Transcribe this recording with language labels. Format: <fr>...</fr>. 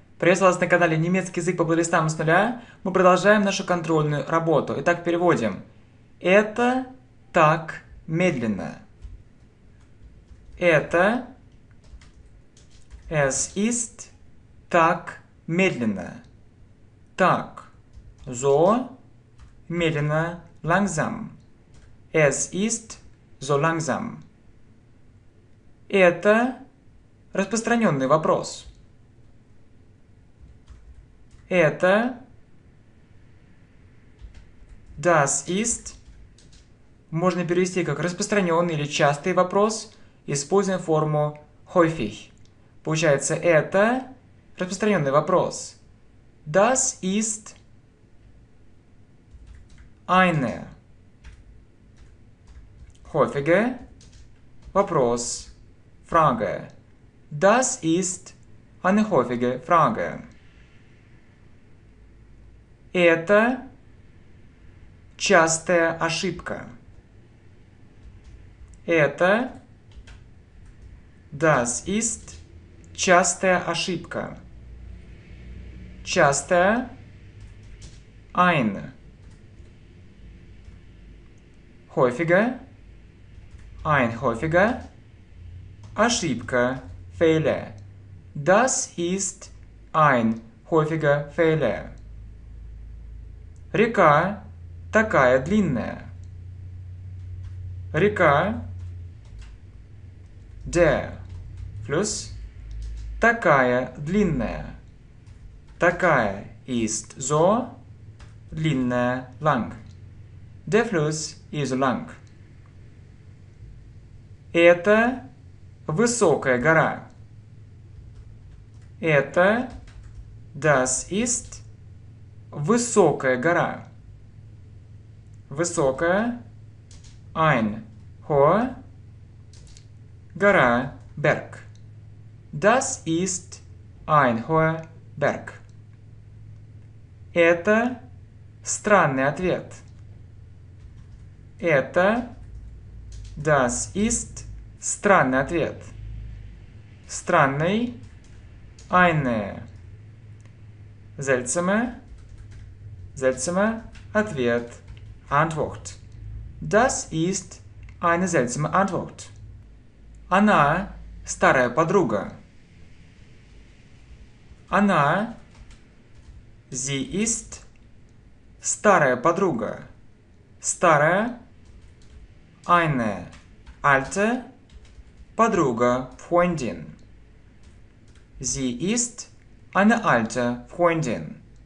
<ru>Приветствую вас на канале «Немецкий язык по плейлистам с нуля». Мы продолжаем нашу контрольную работу. Итак, переводим. Это так медленно. Это</ru> <de>es ist</de> <ru>так медленно. Так.</ru> <de>So</de> <ru>медленно,</ru> <de>langsam. Es ist so langsam.</de> <ru>Это распространенный вопрос. Это</ru> <de>das ist</de> <ru>можно перевести как распространенный или частый вопрос, используя форму häufig. Получается, это распространенный вопрос.</ru> <de>Das ist eine häufige</de> <ru>вопрос,</ru> <de>Frage. Das ist eine häufige Frage.</de> <ru>Это частая ошибка. Это</ru> <de>das ist</de> <ru>частая ошибка. Частая</ru> <de>eine häufige ein häufige</de> <ru>ошибка</ru> <de>Fehler. Das ist ein häufiger Fehler.</de> <ru>Река такая длинная. Река</ru> <de>der Fluss</de> <ru>такая длинная. Такая</ru> <de>ist so</de> <ru>длинная</ru> <de>lang. Der Fluss is lang.</de> <ru>Это высокая гора. Это</ru> <de>das ist</de> <ru>высокая гора. Высокая</ru> <de>ein hohe</de> <ru>гора</ru> <de>Berg. Das ist ein hohe Berg.</de> <ru>Это странный ответ. Это</ru> <de>das ist</de> <ru>странный ответ. Странный</ru> <de>eine seltsame seltsame</de> <ru>ответ</ru> <de>Antwort. Das ist eine seltsame Antwort.</de> <ru>Она старая подруга. Она</ru> <de>sie ist</de> <ru>старая подруга. Старая</ru> <de>eine alte</de> <ru>подруга</ru> <de>Freundin. Sie ist eine alte Freundin.</de>